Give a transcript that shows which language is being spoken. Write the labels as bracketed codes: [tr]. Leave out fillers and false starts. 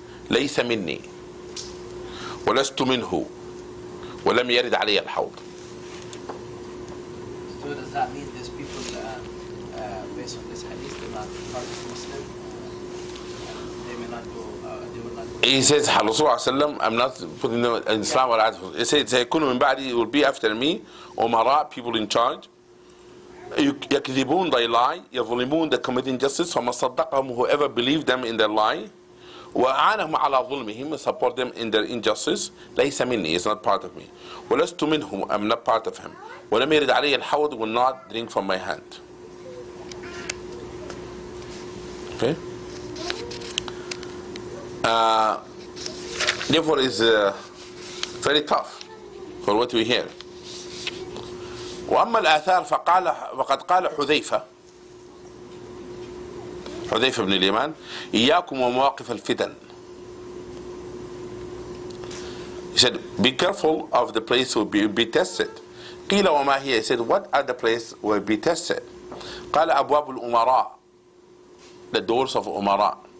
[ar] ليس مني ولست منه ولم يرد علي الحوض. [en] So does that mean these people, based on this hadith, they're not part of Muslim? He says, الرسول صلى الله عليه وسلم, I'm not putting in Islam or Adam. He said, [ar] سيكون من بعدي, [en] will be after me, أمراء, people in charge. [ar] يكذبون, [en] they lie. [ar] يظلمون, [en] they commit injustice. [ar] فما صدقهم, [en] whoever believed them in their lie. [ar] وأعانهم على ظلمهم, [en] support them in their injustice. [ar] ليس مني, [en] it's not part of me. [ar] ولست منهم, [en] I'm not part of him. [ar] ولم يرد علي الحوض, [en] will not drink from my hand. Okay. Therefore is very tough for what we hear. [ar] وأما الآثار فقال وقد قال حذيفة, حذيفة بن اليمان, إياكم ومواقف الفتن. [en] He said, be careful of the place will be tested. [ar] قيل وما هي. [en] He said, what are the place will be tested? [ar] قال أبواب الأمراء, [en] the doors of [ar] أمراء.